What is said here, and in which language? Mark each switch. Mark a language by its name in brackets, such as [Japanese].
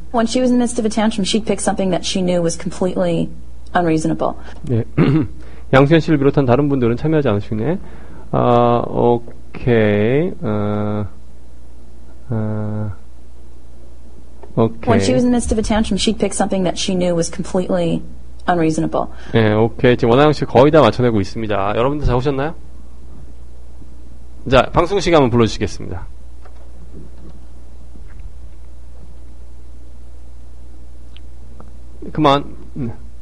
[English] When she was in the midst of a tantrum, she'd pick something that she knew was completely unreasonable. [Korean] 네. 양수현 씨를 비롯한 다른 분들은 참여하지 않으시네. 아, 오케이. 오케이. [English] When she was in the midst of a tantrum, she'd pick something that she knew was completely unreasonable. [Korean] 네, 오케이. 지금 원하영 씨 거의 다 맞춰내고 있습니다. 여러분들 잘 오셨나요? 자, 방송 시간 한번 불러주시겠습니다. [English] Come on.